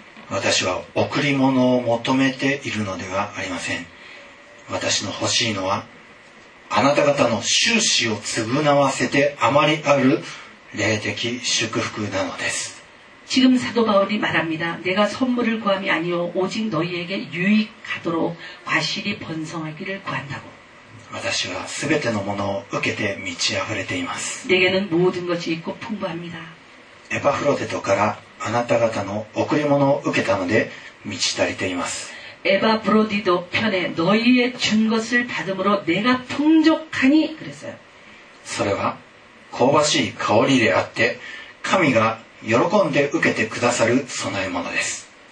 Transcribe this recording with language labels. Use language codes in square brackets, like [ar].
[ja] 私は贈り物を求めているのではありません私の欲しいのはあなた方の収支を償わせて余りある霊的祝福なのです [ko] 지금사도바울이말합니다내가선물을구함이아니오오직너희에게유익하도록과실이번성하기를구한다고 [ja] 私はすべてのものを受けて満ち溢れています。 [ko] 내게는모든것이있고풍부합니다。 [ja] エパフロデトからあなた方の贈り物を受けたので満ち足りています。 [ko] エパフロディド편에너희의준것을받으므로내가풍족하니그랬어요。 [ja] それは香ばしい香りであって神が喜んで受けてくださる供え物です。